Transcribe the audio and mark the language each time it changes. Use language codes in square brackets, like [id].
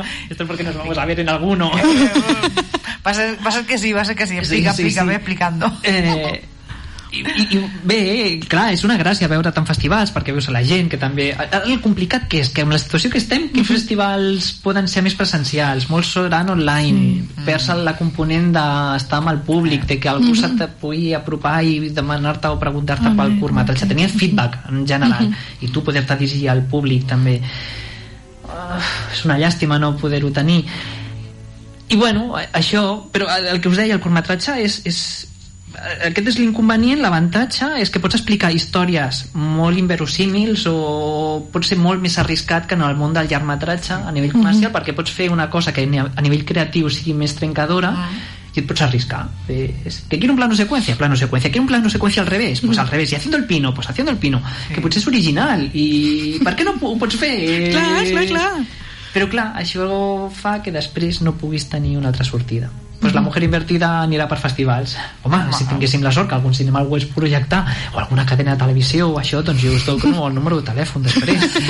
[es] Esto es porque nos vamos a ver en alguno. va a ser que sí, explica, sí, sí, explica, sí. Ve explicando. [ca] I bé, clar, és una gràcia veure tant festivals perquè veus a la gent, que també el complicat que és, que amb la situació que estem, quins festivals poden ser més presencials, molts seran online, perds la component d'estar amb el públic, de que algú se't pugui apropar i demanar-te o preguntar-te pel curtmetratge, tenir el feedback en general i tu poder-te dirigir al públic també. És una llàstima no poder-ho tenir. I bueno, això, però el que us deia, el curtmetratge és aquest és l'inconvenient. L'avantatge és que pots explicar històries molt inverosímils, o pot ser molt més arriscat que en el món del llargmetratge a nivell comercial, perquè pots fer una cosa que a nivell creatiu sigui més trencadora i et pots arriscar. [es] Que quiero un plano secuencia, plano secuencia. Quiero un plano secuencia al revés, pues al revés. Y haciendo el pino, pues haciendo el pino. [ca] Sí. Que potser és original. I per què no ho pots fer? Clar, clar, clar. Però clar, això fa que després no puguis tenir una altra sortida. Pues La Mujer Invertida anirà per festivals. Home, si tinguéssim la sort que algun cinema ho és projectar, o alguna cadena de televisió o això, doncs jo us dono com el número de telèfon després.